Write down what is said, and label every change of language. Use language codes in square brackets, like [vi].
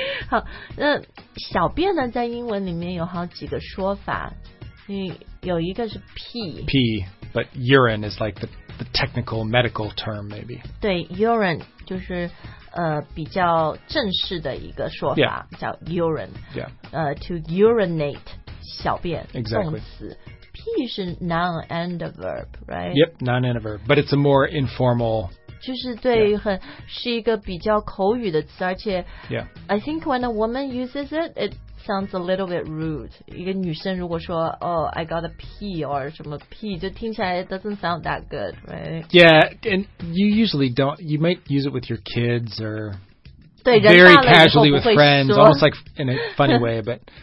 [zh] 好，那小便呢，在英文里面有好几个说法。有一个是 pee. [en] Pee, but urine is like the technical medical term, maybe. [zh] 对 ，urine 就是比较正式的一个说法， [en] yeah. [zh] 叫 urine. [en] Yeah. To urinate, [zh] 小便 [en] exactly. [zh] 动词。屁是 [en] noun and a verb, right? Yep, noun and a verb. But it's a more informal... [zh] 就是对很、 [en] yeah. [zh] 是一个比较口语的词而且、 [en] yeah. I think when a woman uses it, it sounds a little bit rude. [zh] 一个女生如果说 [en] Oh, I got a pee or [zh] 什么 [en] pee, [zh] 就听起来 [en] it doesn't sound that good, right? Yeah, and you usually don't... You might use it with your kids or... [zh] 对 [en] very casually with friends, almost like in a funny way, but...